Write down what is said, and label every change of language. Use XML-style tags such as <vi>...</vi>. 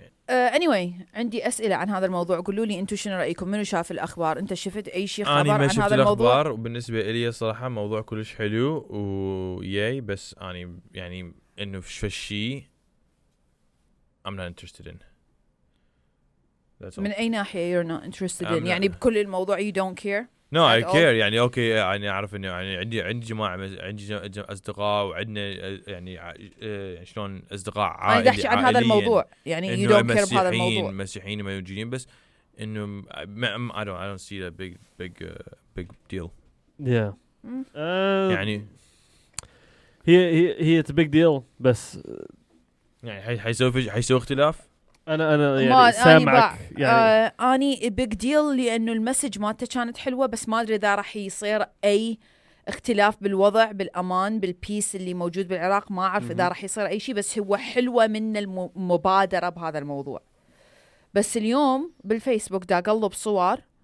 <ar>anyway عندي أسئلة عن هذا الموضوع قولوا لي أنتوا شنو رأيكم منو شاف الأخبار أنت شفت أي شيء خبر عن هذا الموضوع؟ أنا ما شفت الأخبار وبالنسبة إلي صراحة موضوع كلش حلو وياي بس أنا يعني إنه في شف الشيء</ar> <en>I'm not interested in</en> <ar>من أي ناحية</ar> <en>you're not interested in</en> <ar>يعني بكل الموضوع</ar> <en>you don't care no I care</en> <ar>يعني أوكي يعني أعرف إنه يعني عندي جماعة عندي جماعة أصدقاء وعندنا يعني شلون أصدقاء عائلة أنا دحشي عن هذا الموضوع يعني</ar> <en>you don't care</en> <ar>بهذا الموضوع مسيحيين ما يوجدين بس إنه</ar> <en>I don't see a big deal yeah</en> <ar>يعني</ar> <en>هي it's a big deal بس</en> <ar>يعني حيسوي اختلاف أنا يعني ما سامعك أني بيج ديل لأنه المسج مالته كانت حلوة بس ما أدري إذا رح يصير أي اختلاف بالوضع بالأمان بالبيس اللي موجود بالعراق ما أعرف إذا رح يصير أي شيء بس هو حلوة من المبادرة بهذا الموضوع بس اليوم بالفيسبوك دا قلب صور</ar>